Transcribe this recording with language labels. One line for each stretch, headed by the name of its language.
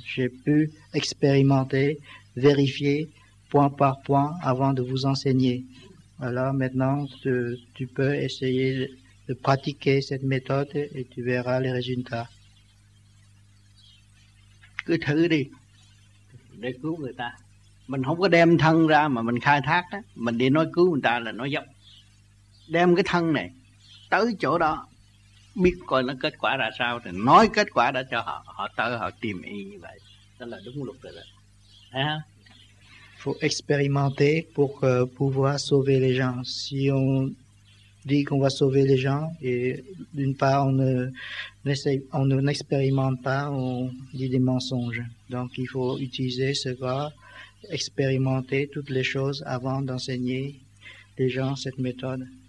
French: J'ai pu expérimenter, vérifier point par point avant de vous enseigner. Alors maintenant, tu peux essayer de pratiquer cette méthode et tu verras les résultats.
Vietnamese: Cứ thử đi để cứu người ta. Mình không có đem thân ra mà mình khai thác đó. Mình đi nói cứu người ta là nói dốc. Đem cái thân này tới chỗ đó, biết coi nó kết quả ra sao thì nói kết quả đã cho họ. Họ tới họ tìm y như vậy. Đó là đúng luật rồi đó. Thấy không?
French: Faut expérimenter pour pouvoir sauver les gens. Si on dit qu'on va sauver les gens et d'une part on n'expérimente pas, on dit des mensonges. Donc il faut utiliser ce pas, expérimenter toutes les choses avant d'enseigner les gens cette méthode.